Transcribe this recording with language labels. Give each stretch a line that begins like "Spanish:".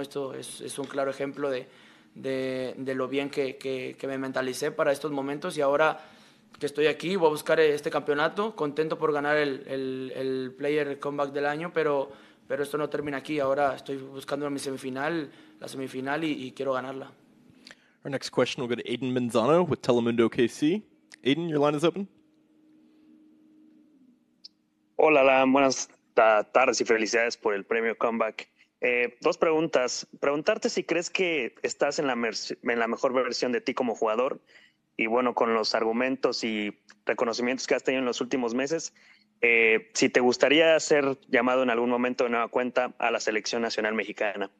Spanish: Esto es un claro ejemplo de lo bien que me mentalicé para estos momentos y ahora que estoy aquí voy a buscar este campeonato, contento por ganar el Player Comeback del año, pero esto no termina aquí, ahora estoy buscando la semifinal y quiero ganarla.
English: Our next question will go to Aiden Manzano with Telemundo KC. Aiden, your line is open.
Spanish: Hola, Alan. Buenas tardes y felicidades por el premio Comeback. Dos preguntas. Preguntarte si crees que estás en la mejor versión de ti como jugador y, bueno, con los argumentos y reconocimientos que has tenido en los últimos meses, si te gustaría ser llamado en algún momento de nueva cuenta a la Selección Nacional Mexicana.